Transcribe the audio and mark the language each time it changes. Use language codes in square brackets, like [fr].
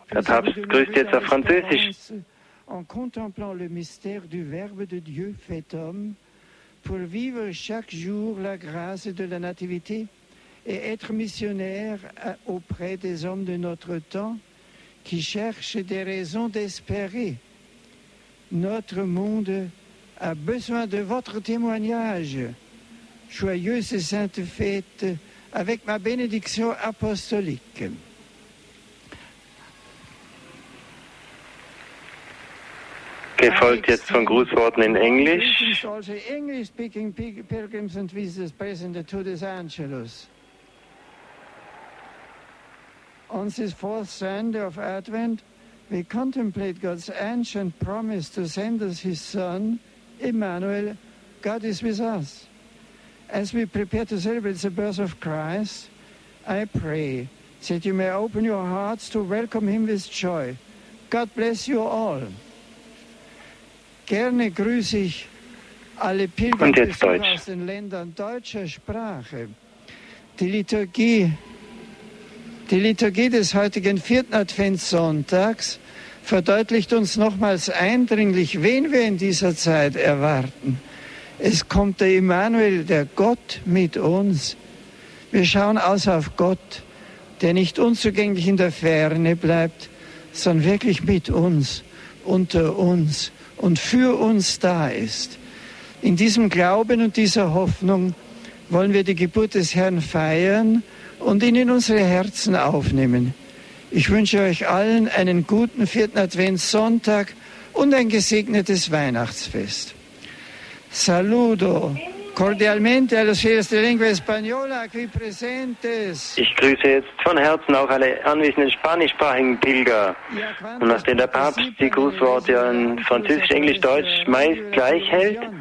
[de] Der Papst grüßt jetzt auf Französisch. [fr] En contemplant le mystère du Verbe de Dieu fait homme, pour vivre chaque jour la grâce de la nativité et être missionnaire auprès des hommes de notre temps qui cherchent des raisons d'espérer. Notre monde a besoin de votre témoignage. Joyeuse et sainte fête avec ma bénédiction apostolique. [de] Gefolgt jetzt von Grußworten in Englisch. [en] Also English speaking pilgrims and visitors present at Tudus Angelus. On this fourth Sunday of Advent, we contemplate God's ancient promise to send us his Son, Emmanuel. God is with us. As we prepare to celebrate the birth of Christ, I pray that you may open your hearts to welcome him with joy. God bless you all. [de] Gerne grüße ich alle Pilger aus den Ländern deutscher Sprache. Die Liturgie des heutigen vierten Adventssonntags verdeutlicht uns nochmals eindringlich, wen wir in dieser Zeit erwarten. Es kommt der Immanuel, der Gott mit uns. Wir schauen aus auf Gott, der nicht unzugänglich in der Ferne bleibt, sondern wirklich mit uns, unter uns und für uns da ist. In diesem Glauben und dieser Hoffnung wollen wir die Geburt des Herrn feiern und ihn in unsere Herzen aufnehmen. Ich wünsche euch allen einen guten vierten Adventssonntag und ein gesegnetes Weihnachtsfest. [es] Saludo cordialmente a los fieles de lengua española aquí presentes. [de] Ich grüße jetzt von Herzen auch alle anwesenden spanischsprachigen Pilger. Und nachdem der Papst die Grußworte in Französisch, Englisch, Deutsch meist gleich hält,